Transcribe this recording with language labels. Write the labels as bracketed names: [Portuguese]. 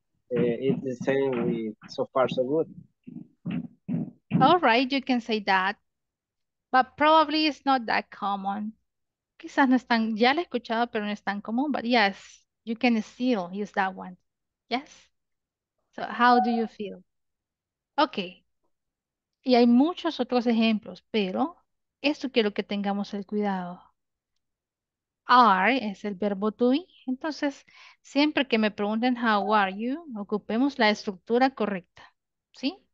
[English] It's the same with so far so good. All right, you can say that. But probably it's not that common. [Spanish] Quizás no es tan, ya lo he escuchado, pero no es tan común. [English] But yes, you can still use that one. Yes? So how do you feel? Okay. [Spanish] Y hay muchos otros ejemplos, pero esto quiero que tengamos el cuidado. Are es el verbo to be. Entonces, siempre que me pregunten [English] how are you, [Spanish] ocupemos la estructura correcta. ¿Sí?